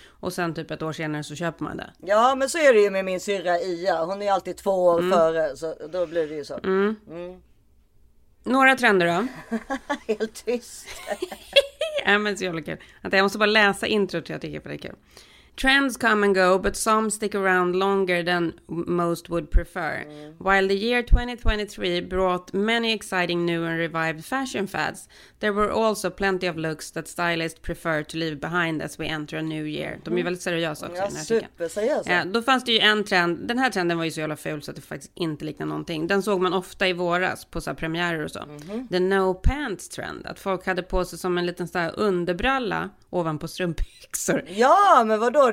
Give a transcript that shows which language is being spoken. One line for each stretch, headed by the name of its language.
Swedish: Och sen typ ett år senare så köper man det. Ja, men så är det ju med min syrra Ia. Hon är ju alltid 2 år före, så då blir det ju så. Mm. Mm. Några trender då? Helt tyst. Nej, men så jävla kul. Jag måste bara läsa intro till att jag tycker att det är kul.
English: Trends come and go, but some stick around longer than most would prefer. While the year 2023 brought many exciting new and revived fashion fads, there were also plenty of looks that stylists prefer to leave behind as we enter a new year.
Swedish: De är väldigt seriösa också. Ja, superseriösa. Ja, då fanns det ju en trend. Den här trenden var ju så jävla ful så att det faktiskt inte liknade någonting. Den såg man ofta i våras på så här premiärer och så. Mm-hmm.
English: The no pants trend.
Swedish: Att folk hade på sig som en liten så här underbralla ovanpå strumpbyxor. Ja, men vadå?